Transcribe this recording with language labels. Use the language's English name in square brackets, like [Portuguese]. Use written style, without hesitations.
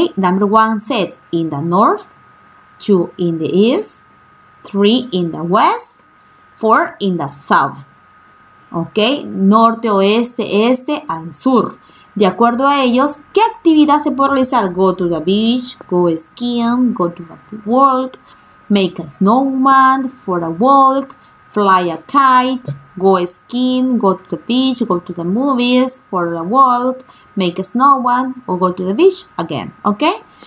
[English] Number one says in the north, two in the east, three in the west, four in the south. ¿Ok? [Spanish] Norte, oeste, este, al sur. De acuerdo a ellos, ¿qué actividad se puede realizar? [English] Go to the beach, go skiing, go to the walk, make a snowman, for a walk, fly a kite, go skiing, go to the beach, go to the movies, for a walk, make a snowman, or go to the beach again. Okay?